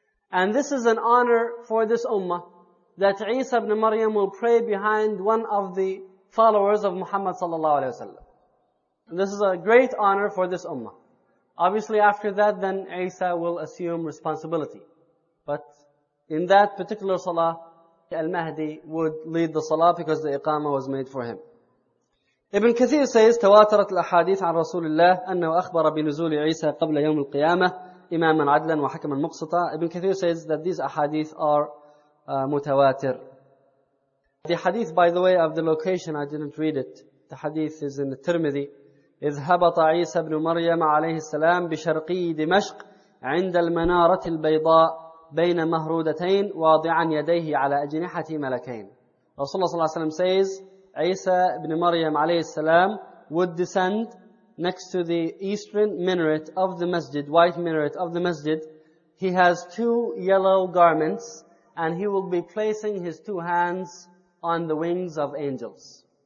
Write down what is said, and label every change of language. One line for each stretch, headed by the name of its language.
English: And this is an honor for this ummah that Isa ibn Maryam will pray behind one of the followers of Muhammad sallallahu alayhi wasallam. This is a great honor for this ummah. Obviously after that, then Isa will assume responsibility. But in that particular salah, al-Mahdi would lead the salah because the iqama was made for him. Ibn Kathir says,
Arabic: تواترت الأحاديث عن رسول الله أنه أخبر بنزول عيسى قبل يوم القيامة إماما عدلا وحكما مقسطا.
English: Ibn Kathir says that these ahadith are متواتر. The hadith, by the way, of the location, I didn't read it. The hadith is in the Tirmidhi.
Arabic: إذ هبط عيسى بن مريم عليه السلام بشرقي دمشق عند المنارة البيضاء بين مهرودتين واضعا يديه على أجنحة ملكين. رسول الله صلى الله عليه وسلم
English: says,
Arabic: عيسى بن مريم عليه السلام
English: would descend next to the eastern minaret of the masjid, white minaret of the masjid. He has two yellow garments and he will be placing his two hands on the wings of angels.